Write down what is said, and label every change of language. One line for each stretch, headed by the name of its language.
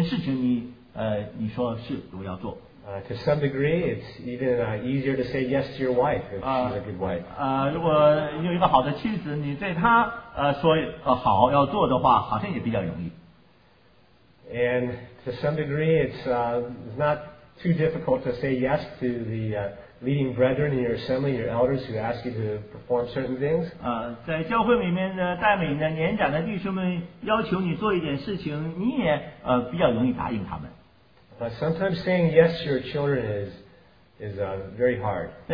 Chinese: 当你老板叫你做一件事情，你说是我要做。
English: To some degree, it's even easier to say yes to your wife if she's a good wife.
Chinese: 如果你有一个好的妻子，你对她说好要做的话，好像也比较容易。
English: And to some degree, it's not too difficult to say yes to the leading brethren in your assembly, your elders who ask you to perform certain things.
Chinese: 在教会里面的带领的年长的弟兄们要求你做一点事情，你也比较容易答应他们。
English: But sometimes saying yes to your children is very hard.